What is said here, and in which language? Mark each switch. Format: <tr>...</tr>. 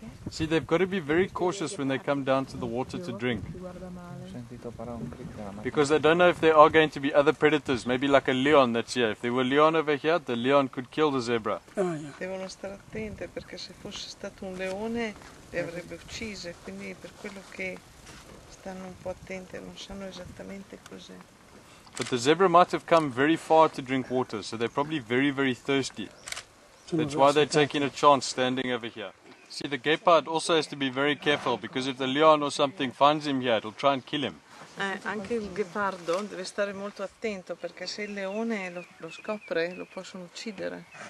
<en>See, they've got to be very cautious when they come down to the water to drink. Because they don't know if there are going to be other predators, maybe like a leon that's here. If there were leon over here, the leon could kill the zebra.</en> <it>Devono stare attente, perché se fosse stato un leone le avrebbe uccise, quindi per quello che stanno un po' attente, non sanno esattamente cos'è.</it> <en>But the zebra might have come very far to drink water, so they're probably very, very thirsty. That's why they're taking a chance standing over here. See, the ghepard also has to be very careful, because if the leon or something finds him here, it'll try and kill him.</en> <it>Anche il ghepardo deve stare molto attento, perché se il leone lo scopre, lo possono uccidere.</it>